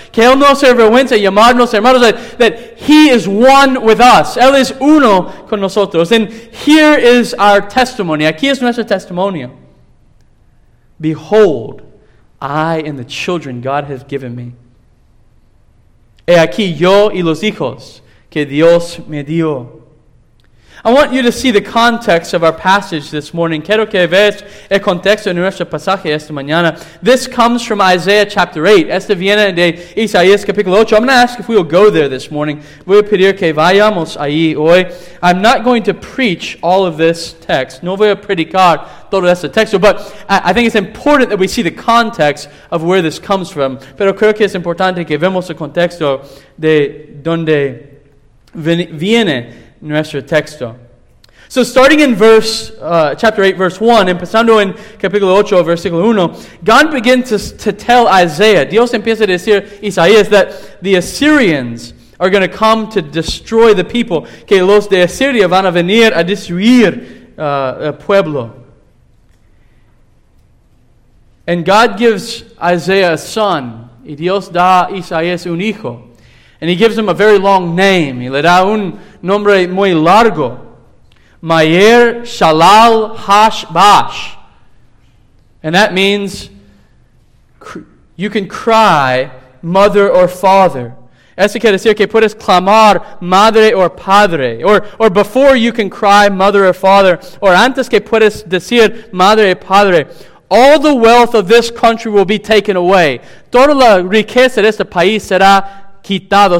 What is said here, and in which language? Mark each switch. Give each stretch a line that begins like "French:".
Spanish: Que él no se avergüenza llamarnos hermanos.
English: That he is one with us.
Spanish: Él es uno con nosotros.
English: And here is our testimony.
Spanish: Aquí es nuestro testimonio.
English: Behold, I and the children God has given me.
Spanish: He aquí yo y los hijos que Dios me dio.
English: I want you to see the context of our passage this morning.
Spanish: Quiero que veas el contexto de nuestro pasaje esta mañana.
English: This comes from Isaiah chapter 8.
Spanish: Este viene de Isaías capítulo 8.
English: I'm going to ask if we'll go there this morning.
Spanish: Voy a pedir que vayamos ahí hoy.
English: I'm not going to preach all of this text.
Spanish: No voy a predicar todo este texto.
English: But I think it's important that we see the context of where this comes from.
Spanish: Pero creo que es importante que vemos el contexto de donde viene nuestro texto.
English: So starting in chapter 8, verse 1,
Spanish: empezando en capítulo 8, versículo 1,
English: God begins to tell Isaiah,
Spanish: Dios empieza a decir Isaías,
English: that the Assyrians are going to come to destroy the people,
Spanish: que los de Asiria van a venir a destruir el pueblo.
English: And God gives Isaiah a son,
Spanish: y Dios da a Isaías un hijo.
English: And he gives him a very long name. Y le da un nombre muy largo. Mayer Shalal Hash Bash. And that means you can cry mother or father.
Spanish: Eso quiere decir que puedes clamar madre or padre.
English: Or before you can cry mother or father.
Spanish: Or antes que puedes decir madre o padre.
English: All the wealth of this country will be taken away.
Spanish: Toda la riqueza de este país será quitado.